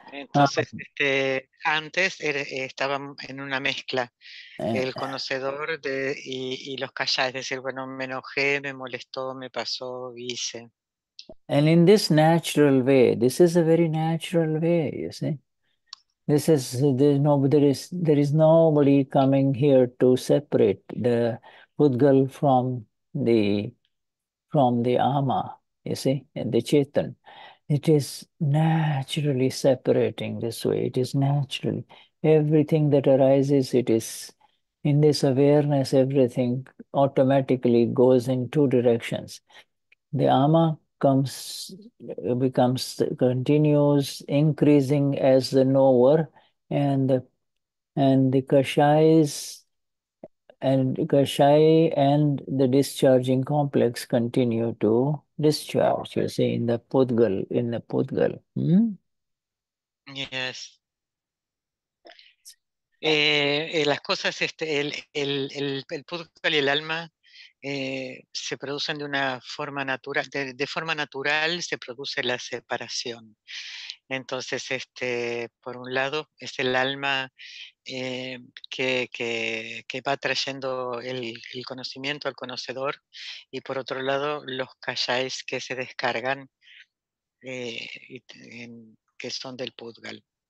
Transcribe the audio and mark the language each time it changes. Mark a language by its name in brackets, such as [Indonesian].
[Spanish] Entonces, antes estaba en una mezcla, el conocedor y los callados, es decir, bueno, me enojé, me molestó, me pasó, hice. [English] And in this natural way, this is a very natural way, you see. This is, there is nobody coming here to separate the Pudgal from the Ama, you see, and the Chetan. It is naturally separating this way. It is naturally. Everything that arises, it is in this awareness, everything automatically goes in two directions. The Ama continues increasing as the knower, and the Kashai and the discharging complex continue to discharge, you see, in the Pudgal. Yes. [Spanish] Las cosas, el Pudgal y el alma se producen de una forma natural, de forma natural se produce la separación. Entonces, por un lado, es el alma que va trayendo el conocimiento al conocedor, y por otro lado, los kashais que se descargan, que son del Pudgal.